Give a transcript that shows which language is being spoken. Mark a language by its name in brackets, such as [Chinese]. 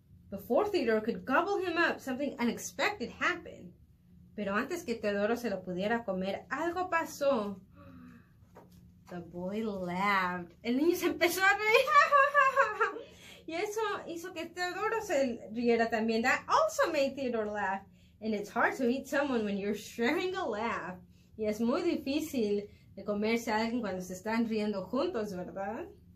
[English] Before Theodore could gobble him up, something unexpected happened. [Spanish] Pero antes que Teodoro se lo pudiera comer, algo pasó. [English] The boy laughed. [Spanish] El niño se empezó a reír. Y eso hizo que Teodoro se riera también. [English] That also made Theodore laugh. And it's hard to eat someone when you're sharing a laugh. [Spanish] Y es muy difícil de comerse a alguien cuando se están riendo juntos, ¿verdad?